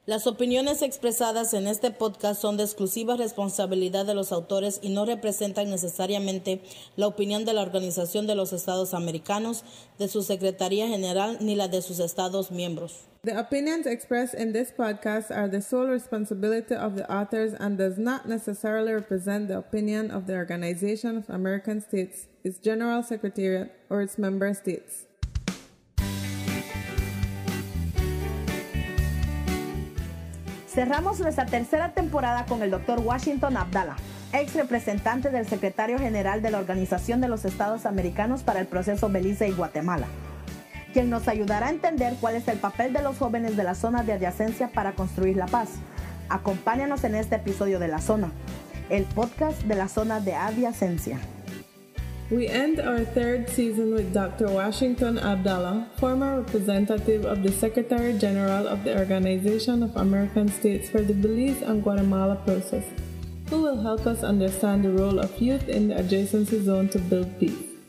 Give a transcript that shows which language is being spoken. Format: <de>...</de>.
<es>Las opiniones expresadas en este podcast son de exclusiva responsabilidad de los autores y no representan necesariamente la opinión de la Organización de los Estados Americanos, de su Secretaría General, ni la de sus Estados miembros.</es> <en>The opinions expressed in this podcast are the sole responsibility of the authors and does not necessarily represent the opinion of the Organization of American States, its General Secretariat, or its member states.</en> <es>Cerramos nuestra tercera temporada con el Dr. Washington Abdalla, ex representante del secretario general de la Organización de los Estados Americanos para el Proceso Belice y Guatemala, quien nos ayudará a entender cuál es el papel de los jóvenes de la zona de adyacencia para construir la paz. Acompáñanos en este episodio de La Zona, el podcast de la zona de adyacencia.</es> <en>We end our third season with Dr. Washington Abdalla, former representative of the Secretary General of the Organization of American States for the Belize and Guatemala Process, who will help us understand the role of youth in the adjacency zone to build peace.</en>